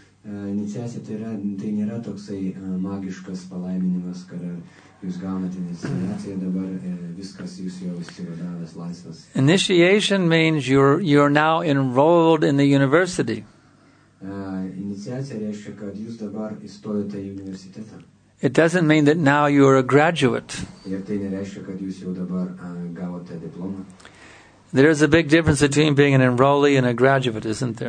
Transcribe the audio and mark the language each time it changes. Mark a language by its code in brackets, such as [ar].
[lt] Iniciacija tai nėra toksai magiškas palaiminimas, kad jūs gaunate iniciaciją, dabar viskas jūs jau įsivadavęs laisvas. [en] Initiation means you're now enrolled in the university. [lt] Iniciacija reiškia, kad jūs dabar įstojote į universitetą. [en] It doesn't mean that now you are a graduate. [lt] Ir tai nereiškia, kad jūs jau dabar gavote diplomą. [en] There is a big difference between being an enrollee and a graduate, isn't there?